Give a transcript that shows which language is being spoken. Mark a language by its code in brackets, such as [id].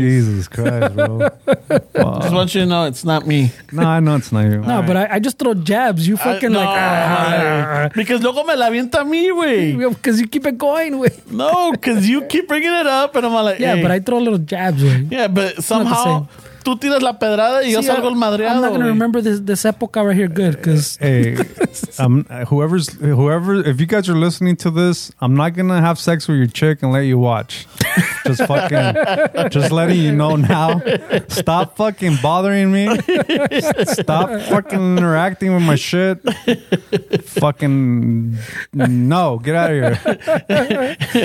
[en] Jesus Christ, bro. Wow. Just want you to know it's not me. No, I know it's not you. No, right. But I just throw jabs. You fucking Because [es] luego me la avienta a mí, güey. [en] Because you keep it going, güey. No, because you keep bringing it up and I'm like, yeah, but I throw little jabs, güey. Yeah, but somehow... [es] Tú tiras la pedrada y yo salgo el madreado. [en] I'm not going to remember this época right here good. Hey, whoever, if you guys are listening to this, I'm not going to have sex with your chick and let you watch. Just fucking, just letting you know now. Stop fucking bothering me. Stop fucking interacting with my shit. Fucking, no, get out of here.